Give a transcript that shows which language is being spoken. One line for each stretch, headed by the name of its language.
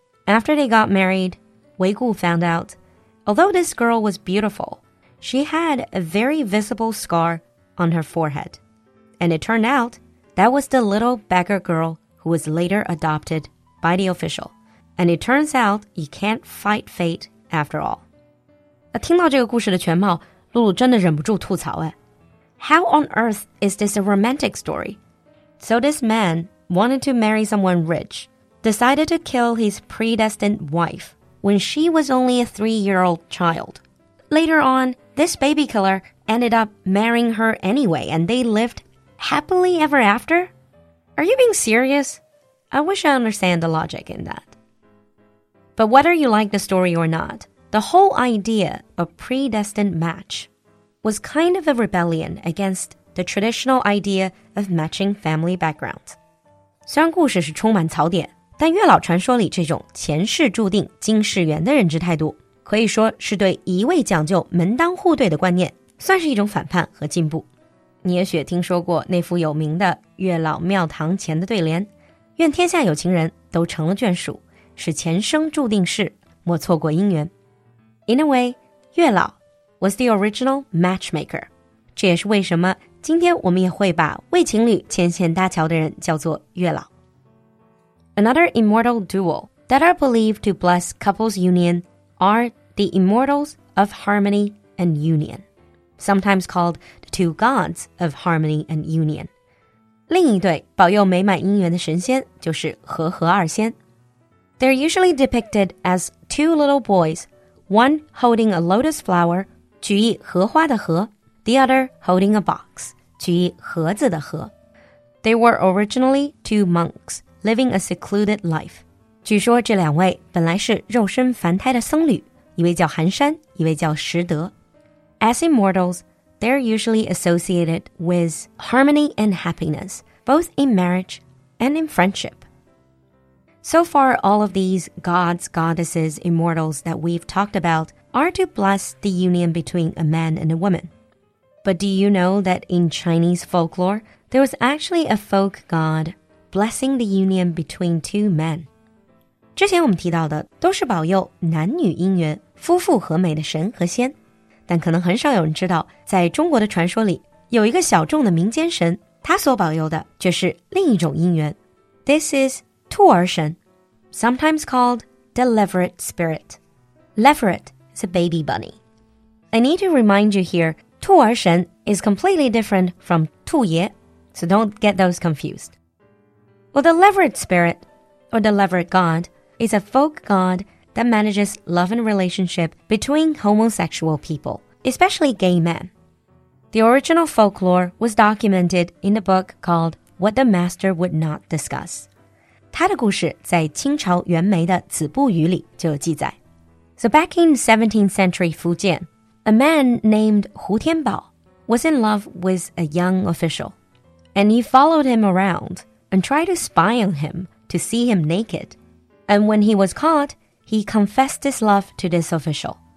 English: After they got married, Wei Gu found out, although this girl was beautiful, she had a very visible scar on her forehead. And it turned out that was the little beggar girl who was later adopted by the official. And it turns out you can't fight fate after all.
Chinese: 听到这个故事的全貌露露真的忍不住吐槽、哎、
English: How on earth is this a romantic story? So this man wanted to marry someone rich decided to kill his predestined wife when she was only a 3-year-old child Later on, this baby killer ended up marrying her anyway and they lived happily ever after? Are you being serious? I wish I understand the logic in that. But whether you like the story or not, the whole idea of predestined match was kind of a rebellion against the traditional idea of matching family background.
Chinese: 虽然故事是充满槽点，但月老传说里这种前世注定今世缘的认知态度，可以说是对一味讲究门当户对的观念，算是一种反叛和进步。你也许听说过那幅有名的月老庙堂前的对联，愿天下有情人都成了眷属，是前生注定事，莫错过姻缘。
English: In a way, 月老 was the original matchmaker.
Chinese: 这也是为什么今天我们也会把为情侣牵线搭桥的人叫做月老。
English: Another immortal duo that are believed to bless couples' union are the immortals of harmony and union, sometimes called the two gods of harmony and union.
Chinese: 另一对保佑美满姻缘的神仙就是和合二仙。
English: They're usually depicted as two little boys, one holding a lotus flower,
Chinese: 举意荷花的荷,
English: the other holding a box,
Chinese: 举意盒子的盒。
English: They were originally two monks living a secluded life.
Chinese: 据说这两位本来是肉身凡胎的僧侣,一位叫寒山,一位叫石德。
English: As immortals, they're usually associated with harmony and happiness, both in marriage and in friendship. So far, all of these gods, goddesses, immortals that we've talked about are to bless the union between a man and a woman. But do you know that in Chinese folklore, there was actually a folk god blessing the union between two men?
Chinese: 之前我们提到的都是保佑男女姻缘、夫妇和美的神和仙。但可能很少有人知道，在中国的传说里，有一个小众的民间神，他所保佑的却是另一种姻缘。
English: This is... 兔儿神 sometimes called the leveret spirit. Leveret is a baby bunny. I need to remind you here, 兔儿神 is completely different from 兔爷, so don't get those confused. Well, the leveret spirit, or the leveret god, is a folk god that manages love and relationship between homosexual people, especially gay men. The original folklore was documented in a book called What the Master Would Not Discuss.
Chinese: 他的故事在清朝袁枚的《子不语》里就有记载。
English: So back in 17th century Fujian, a man named Hu Tianbao was in love with a young official, and he followed him around and tried to spy on him to see him naked. And when he was caught, he confessed his love to this official.